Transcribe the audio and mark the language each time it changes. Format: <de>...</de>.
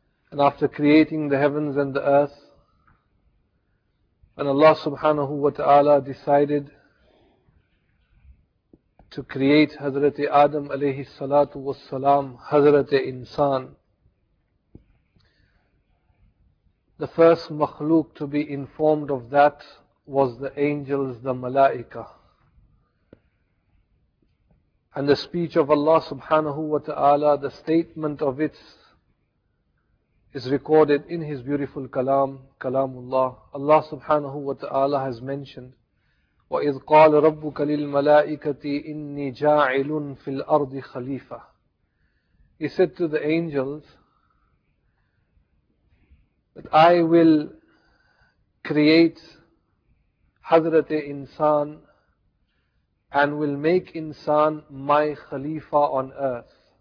<en>And after creating the heavens and the earth, when Allah subhanahu wa ta'ala decided to create Hazrat Adam alayhi salatu wa salam, Hazrat Insan, the first makhluk to be informed of that was the angels, the malaika. And the speech of Allah subhanahu wa ta'ala, the statement of it is recorded in His beautiful kalam, kalamullah. Allah subhanahu wa ta'ala has mentioned,</en> <ar>وَإِذْ قَالَ رَبُّكَ لِلْمَلَائِكَةِ إِنِّي جَاعِلٌ فِي الْأَرْضِ خَلِيفَةٌ.</ar> <en>He said to the angels that I will create Hazrat Insan and will make Insan my Khalifa on earth.</en>